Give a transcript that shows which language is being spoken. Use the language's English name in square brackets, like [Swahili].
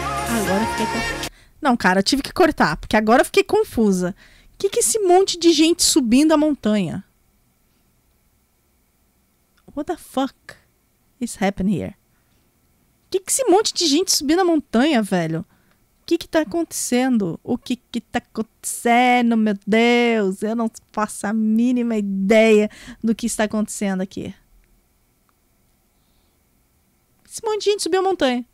[Portuguese] Agora fica. Não, cara, tive que cortar, porque agora eu fiquei confusa. O que é esse monte de gente subindo a montanha? [English] What the fuck is happening here? [Portuguese] O que é esse monte de gente subindo a montanha, velho? O que que tá acontecendo? O que que tá acontecendo, meu Deus? Eu não faço a mínima ideia do que está acontecendo aqui. Esse monte de gente subiu a montanha.